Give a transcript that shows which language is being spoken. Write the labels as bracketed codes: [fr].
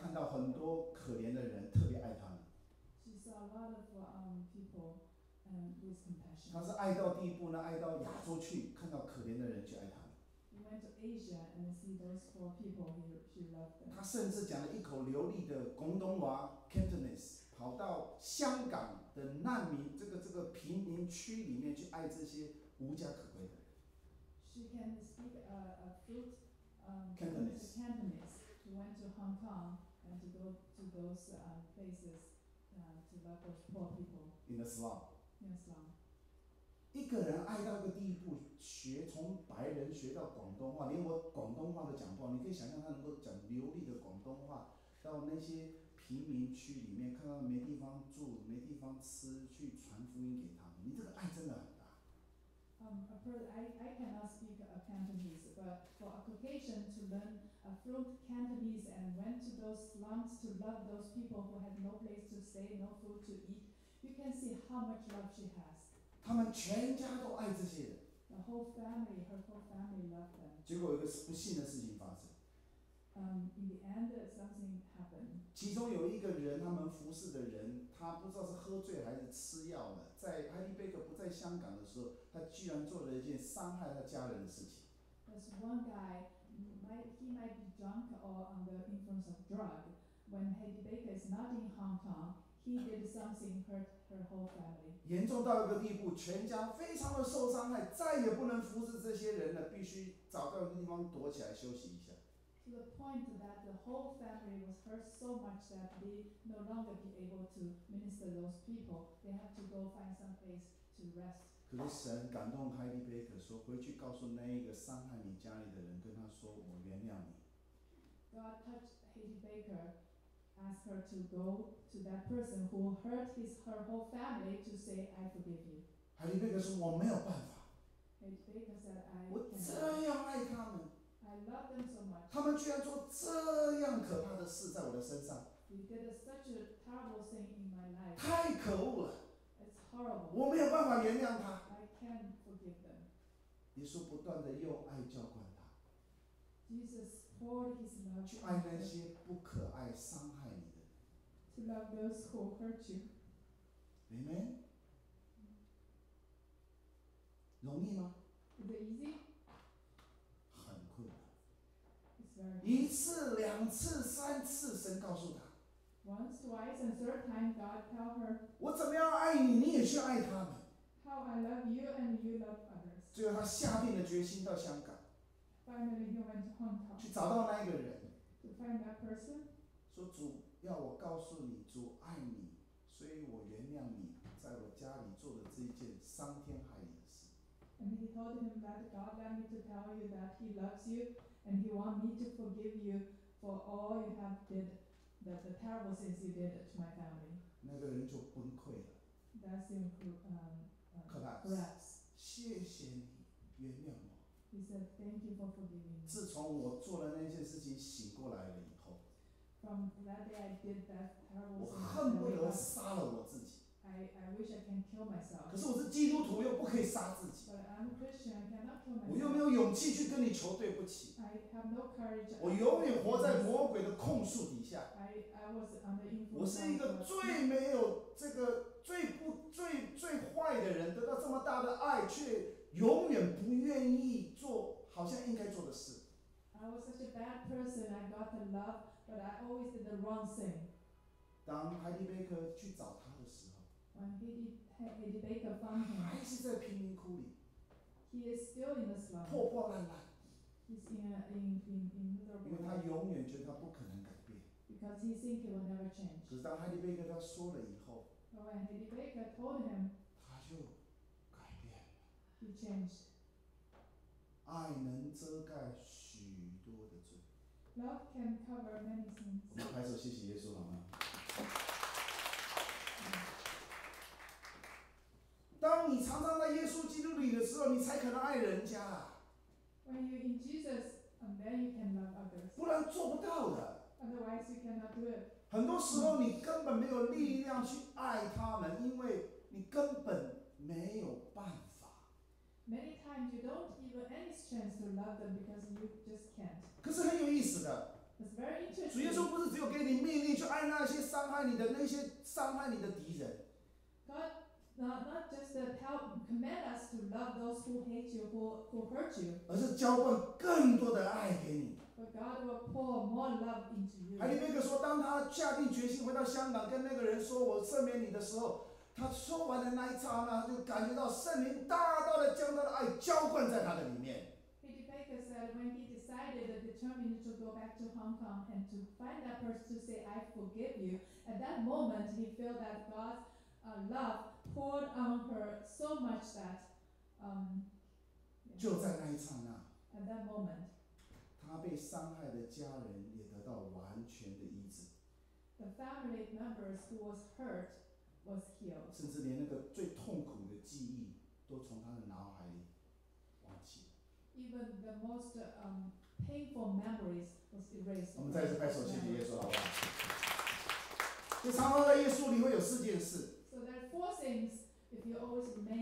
[zh] 看到很多可怜的人，特别爱他们。 [en] She saw a lot of people with compassion. [zh] 他是爱到地步呢，爱到亚洲去，看到可怜的人去爱他们。 [en] He went to Asia and see those poor people. He loved them. [zh] 他甚至讲了一口流利的广东话 Cantonese， 跑到香港的难民这个贫民区里面去爱这些无家可归的人。 [en] She can speak a fluent. Cantonese. She went to Hong Kong and to go to those places to love those poor people. In the slum. In the slum. [zh] 一个人爱到一个地步，学从白人学到广东话，连我广东话都讲不好。你可以想象他能够讲流利的广东话，到那些贫民区里面，看到没地方住、没地方吃，去传福音给他们。你这个爱真的很。 [en] I cannot speak Cantonese, but for a Caucasian to learn a fluent Cantonese and went to those slums to love those people who had no place to stay, no food to eat, you can see how much love she has. [zh] 他们全家都爱这些人。 [en] The whole family, her whole family loved them. [zh] 结果有个不幸的事情发生。 [en] In the end, something happened. [zh] 其中有一个人，他们服侍的人，他不知道是喝醉还是吃药了。在哈利贝克不在香港的时候，他居然做了一件伤害他家人的事情。 [en] There's one guy, he might be drunk or under influence of drug. When Heidi Baker is not in Hong Kong, he did something hurt her whole family. [zh] 严重到一个地步，全家非常的受伤害，再也不能服侍这些人了，必须找到一个地方躲起来休息一下。 [en] To the point that the whole family was hurt so much that they no longer be able to minister those people. They have to go find some place to rest. [zh] 可是神感动 Heidi Baker 说，回去告诉那一个伤害你家里的人，跟他说，我原谅你。 [en] God touched Heidi Baker, asked her to go to that person who hurt her whole family to say, I forgive you. [zh] Heidi Baker 说，我没有办法。 [en] Heidi Baker said, I. [zh] 我这样爱他们。 [en] I love them so much. [zh] 他们居然做这样可怕的事在我的身上。 [en] You did such a terrible thing in my life. [zh] 太可恶了。 [en] It's horrible. [zh] 我没有办法原谅他。 [en] I can't forgive them. [zh] 耶稣不断的用爱浇灌他。 [en] Jesus poured his love. [zh] 去爱那些不可爱伤害你的。 [en] To love those who hurt you. Amen. [zh] 容易吗？ [en] Is it easy? [zh] 很困难。一次、两次、三次，神告诉他。 [en] Once, twice, and third time, God tell her. [zh] 我怎么样爱你，你也去爱他们。 [en] How I love you and you love others. [zh] 最后，他下定了决心到香港。 [en] Finally, he went to Hong Kong. [zh] 去找到那一个人。 [en] To find that person. [zh] 说主要我告诉你，主爱你，所以我原谅你，在我家里做的这件伤天害理的事。 [en] And he told him that God let me to tell you that he loves you and he wants me to forgive you for all you have did, the terrible things you did to my family. [zh] 那个人就崩溃了。 [en] That's him collapse. [zh] 谢谢你原谅我。 [en] He said, thank you for forgiving me. [zh] 自从我做了那件事情醒过来了以后。 [en] From that day I did that terrible thing. [zh] 我恨不得杀了我自己。 [en] I wish I can kill myself. [zh] 可是我是基督徒，又不可以杀自己。 [en] But I'm a Christian, I cannot kill myself. [zh] 我又没有勇气去跟你求对不起。我永远活在魔鬼的控诉底下。我是一个最没有这个最坏的人，得到这么大的爱，却永远不愿意做好像应该做的事。 [en] I was such a bad person. I got the love, but I always did the wrong thing. [zh] 当 Heidi Baker 去找他的时候 [en] ，When Heidi Baker found him， [zh] 还是在贫民窟里。 [en] He is still in the slum. [zh] 破破烂烂。 [en] He's in the world. [zh] 因为他永远觉得他不可能改变。 [en] Because he thinks he will never change. [zh] 可是当 Heidi Baker 他说了以后 [en] ，When Heidi Baker told him， [zh] 他就改变了。 [en] He changed. [zh] 爱能遮盖许多的罪。 [en] Love can cover many sins. [zh] 我们拍手谢谢耶稣好吗？当你常常在耶稣基督里的时候，你才可能爱人家。 [en] When you're in Jesus, then you can love others. [zh] 不然做不到的。 [en] Otherwise, you cannot do it. [zh] 很多时候你根本没有力量去爱他们，因为你根本没有办法。 [en] Many times you don't even any chance to love them because you just can't. [zh] 可是很有意思的。 [en] It's very interesting. [zh] 主耶稣不是只有给你命令去爱那些伤害你的那些伤害你的敌人。 [en] God not just to tell command us to love those who hate you who hurt you. [zh] 而是浇灌更多的爱给你。 [en] But God will pour more love into you. [zh] 海利贝克说，当他下定决心回到香港跟那个人说"我赦免你"的时候。他说完的那一刹那，就感觉到圣灵大大的将他的爱浇灌在他的里面。 [en] Peter Baker said when he decided and determined to go back to Hong Kong and to find that person to say I forgive you, at that moment he felt that God's love poured on her so much that [zh] 就在那一刹那 [en] ，at that moment， [zh] 他被伤害的家人也得到完全的医治。 [en] The family members who was hurt。 Was healed. [zh] 甚至连那个最痛苦的记忆都从他的脑海里忘记了。 [en] Even the most painful memories was erased. [zh] 我们再次拍手谢谢耶稣，好不好？就常常在耶稣里会有四件事。 [en] So there are four things if you always remain.